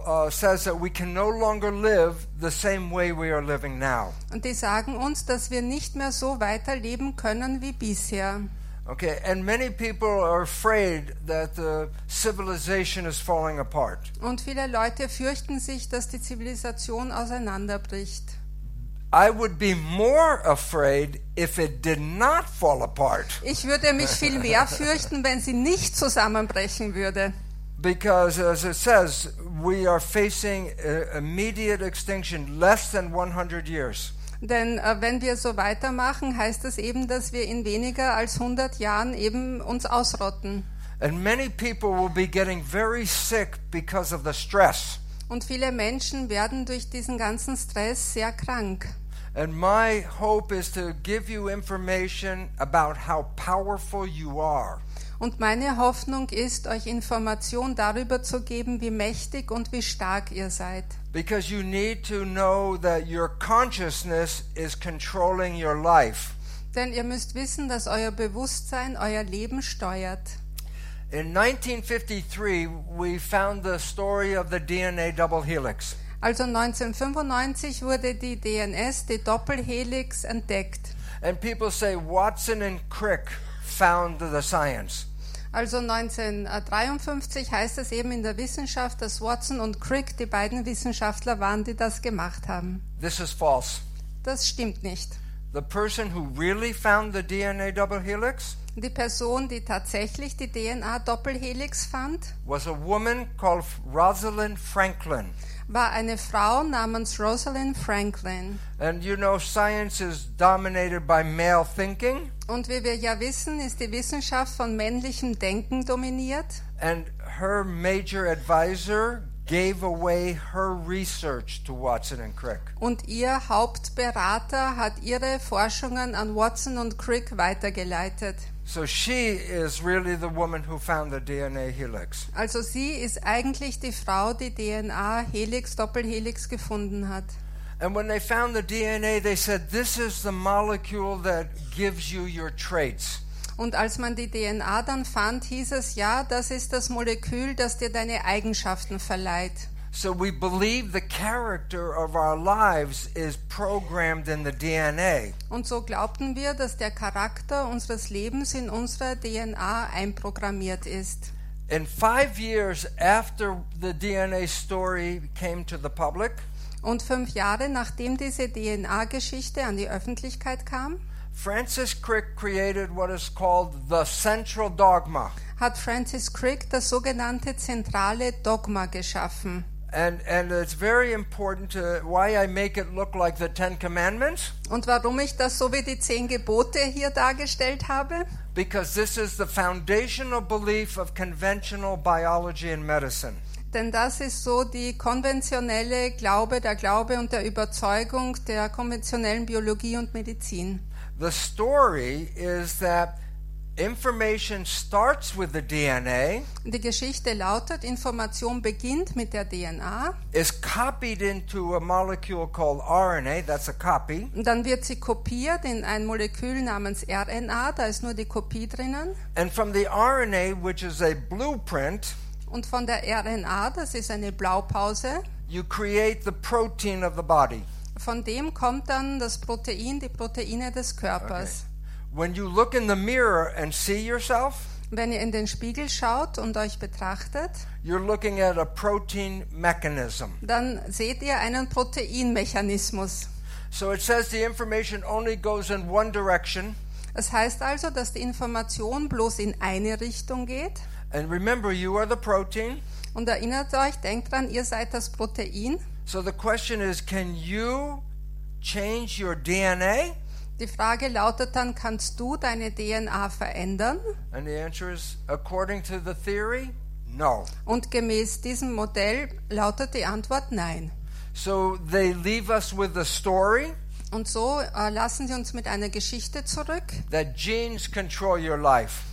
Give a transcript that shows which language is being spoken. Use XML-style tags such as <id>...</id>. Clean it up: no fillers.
<en>says that we can no longer live the same way we are living now.</en> <de>Und die sagen uns, dass wir nicht mehr so weiterleben können wie bisher.</de> <en>Okay, and many people are afraid that the civilization is falling apart.</en> <de>Und viele Leute fürchten sich, dass die Zivilisation auseinanderbricht.</de> <en>I would be more afraid if it did not fall apart.</en> <de>Ich würde mich viel mehr fürchten, wenn sie nicht zusammenbrechen würde.</de> <en>Because as it says, we are facing immediate extinction, less than 100 years.</en> <de>Denn wenn wir so weitermachen, heißt das eben, dass wir in weniger als 100 Jahren eben uns ausrotten.</de> <en>And many people will be getting very sick because of the stress.</en> <de>Und viele Menschen werden durch diesen ganzen Stress sehr krank.</de> <en>And my hope is to give you information about how powerful you are.</en> <de>Und meine Hoffnung ist, euch Information darüber zu geben, wie mächtig und wie stark ihr seid.</de> <en>Because you need to know that your consciousness is controlling your life.</en> <de>Denn ihr müsst wissen, dass euer Bewusstsein euer Leben steuert.</de> <en>In 1953 we found the story of the DNA double helix.</en> <de>Also 1995 wurde die DNS, die Doppelhelix, entdeckt.</de> <en>And people say Watson and Crick found the science.</en> <de>Also 1953 heißt es eben in der Wissenschaft, dass Watson und Crick die beiden Wissenschaftler waren, die das gemacht haben.</de> <en>This is false.</en> <de>Das stimmt nicht.</de> <en>The person who really found the DNA double helix,</en> <de>die Person, die tatsächlich die DNA Doppelhelix fand,</de> <en>was a woman called Rosalind Franklin.</en> <de>War eine Frau namens Rosalind Franklin.</de> <en>And you know, science is dominated by male thinking.</en> <de>Und wie wir ja wissen, ist die Wissenschaft von männlichem Denken dominiert.</de> <en>And her major advisor gave away her research to Watson and Crick.</en> <de>Und ihr Hauptberater hat ihre Forschungen an Watson und Crick weitergeleitet.</de> <en>So she is really the woman who found the DNA helix.</en> <de>Also sie ist eigentlich die Frau, die DNA Helix Doppelhelix gefunden hat.</de> <en>And when they found the DNA, they said this is the molecule that gives you your traits.</en> <de>Und als man die DNA dann fand, hieß es ja, das ist das Molekül, das dir deine Eigenschaften verleiht.</de> <en>So we believe the character of our lives is programmed in the DNA.</en> <de>Und so glaubten wir, dass der Charakter unseres Lebens in unserer DNA einprogrammiert ist.</de> <en>In 5 years after the DNA story came to the public,</en> <de>Und 5 Jahre nachdem diese DNA-Geschichte an die Öffentlichkeit kam,</de> <en>Francis Crick created what is called the central dogma.</en> <de>Hat Francis Crick das sogenannte zentrale Dogma geschaffen.</de> <en>And it's very important to why I make it look like the Ten Commandments.</en> <de>Und warum ich das so wie die 10 Gebote hier dargestellt habe?</de> <en>Because this is the foundational belief of conventional biology and medicine.</en> <de>Denn das ist so die konventionelle Glaube, der Glaube und der Überzeugung der konventionellen Biologie und Medizin.</de> <en>The story is that information starts with the DNA.</en> <de>Die Geschichte lautet, Information beginnt mit der DNA.</de> <en>Is copied into a molecule called RNA. That's a copy.</en> <de>Dann wird sie kopiert in ein Molekül namens RNA. Da ist nur die Kopie drinnen.</de> <en>And from the RNA, which is a blueprint.</en> <de>Und von der RNA, das ist eine Blaupause.</de> <en>You create the protein of the body.</en> <de>Von dem kommt dann das Protein, die Proteine des Körpers.</de> <en>Okay. When you look in the mirror and see yourself,</en> <de>wenn ihr in den Spiegel schaut und euch betrachtet,</de> <en>you're looking at a protein mechanism.</en> <de>Dann seht ihr einen Proteinmechanismus.</de> <en>So it says the information only goes in one direction.</en> <de>Es heißt also, dass die Information bloß in eine Richtung geht.</de> <en>And remember, you are the protein.</en> <de>Und erinnert euch, denkt dran, ihr seid das Protein.</de> <en>So the question is, can you change your DNA?</en> <de>Die Frage lautet dann, kannst du deine DNA verändern?</de> <en>And the answer is, according to the theory, no.</en> <de>Und gemäß diesem Modell lautet die Antwort nein.</de> <en>So they leave us with a story.</en> <de>Und so lassen sie uns mit einer Geschichte zurück.</de> <en>That genes control your life.</en>